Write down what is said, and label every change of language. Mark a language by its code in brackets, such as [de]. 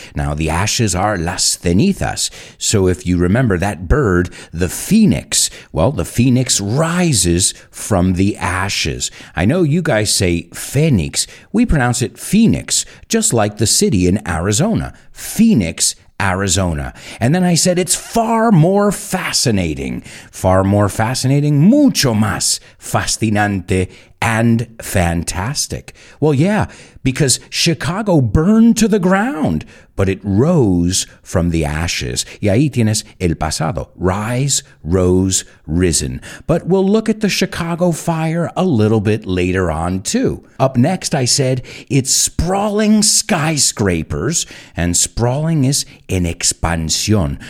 [en] Now, the ashes are [es] las cenizas. [en] So if you remember that bird, the phoenix, well, the phoenix rises from the ashes. I know you guys say phoenix. We pronounce it phoenix, just like the city in Arizona. Phoenix, Arizona. And then I said it's far more fascinating. Far more fascinating, [es] mucho más fascinante [en] and fantastic. Well, yeah, because Chicago burned to the ground, but it rose from the ashes. [es] Y ahí tienes el pasado. [en] Rise, rose, risen. But we'll look at the Chicago fire a little bit later on, too. Up next, I said, it's sprawling skyscrapers, and sprawling is [es] en expansión.